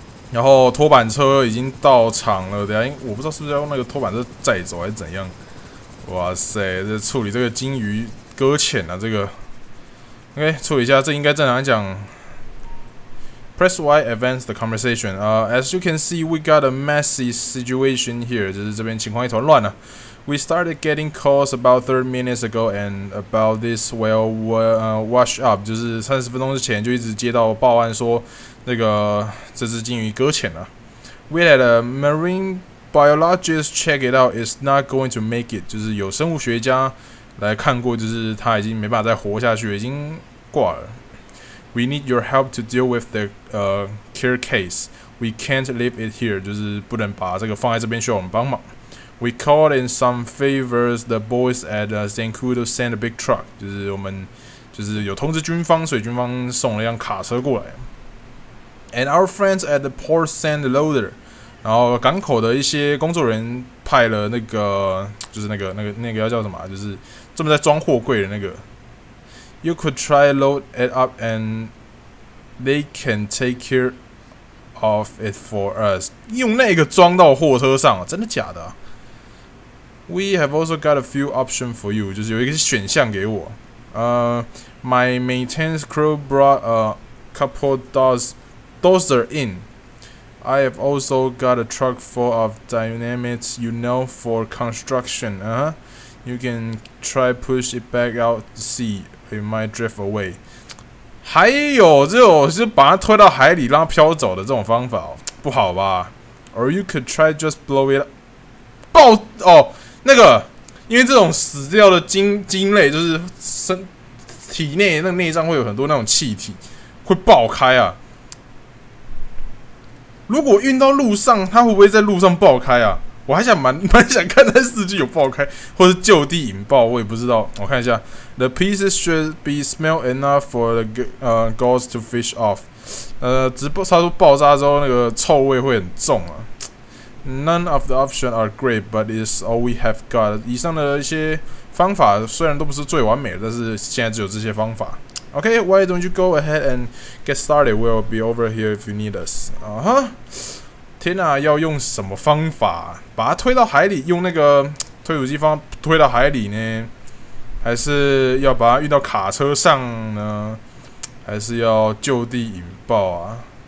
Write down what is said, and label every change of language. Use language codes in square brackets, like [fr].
[zh] 然后拖板车已经到场了，等一下我不知道是不是要用那个拖板车载走还是怎样。哇塞，这处理这个鲸鱼搁浅啊，这个。 OK， 处理一下，这应该正常讲。 [en] Press Y advance the conversation. As you can see, we got a messy situation here. [zh] 就是这边情况一团乱了。 [en] We started getting calls about 30 minutes ago and about this well wash up. [zh] 就是30分钟之前就一直接到报案说那个这只鲸鱼搁浅了。 [en] We had a marine biologist check it out. It's not going to make it. [zh] 就是有生物学家来看过，就是他已经没办法再活下去，已经挂了。 [en] We need your help to deal with the care case. We can't leave it here. [zh] 就是不能把这个放在这边，需要我们帮忙。 [en] We called in some favors. The boys at Zancudo sent a big truck. [zh] 就是我们就是有通知军方，所以军方送了一辆卡车过来。 [en] And our friends at the port sent a loader. [zh] 然后港口的一些工作人员派了那个，就是那个要叫什么、啊？就是专门在装货柜的那个。 [en] You could try load it up, and they can take care of it for us. [zh] 用那个装到货车上、啊，真的假的、啊？ [en] We have also got a few options for you. [zh] 就是有一个选项给我。 [en] My maintenance crew brought a couple dozer in. I have also got a truck full of dynamite, you know, for construction. You can try push it back out to sea. It might drift away. [zh] 还有就是把它推到海里让它飘走的这种方法，不好吧 [en] ？Or you could try just blow it. [zh] 爆哦。那个，因为这种死掉的鲸类，就是身体内那个内脏会有很多那种气体，会爆开啊。如果运到路上，它会不会在路上爆开啊？我还想蛮想看它是不是有爆开，或是就地引爆，我也不知道。我看一下 [en] ，The pieces should be small enough for the ghost to fish off。 [zh] 只不过它说爆炸之后那个臭味会很重啊。 [en] None of the options are great, but it's all we have got. [zh] 以上的一些方法虽然都不是最完美的，但是现在只有这些方法。 [en] Okay, why don't you go ahead and get started? We'll be over here if you need us. [zh] 啊哈，天啊，要用什么方法把它推到海里？用那个推土机方推到海里呢？还是要把它运到卡车上呢？还是要就地引爆啊？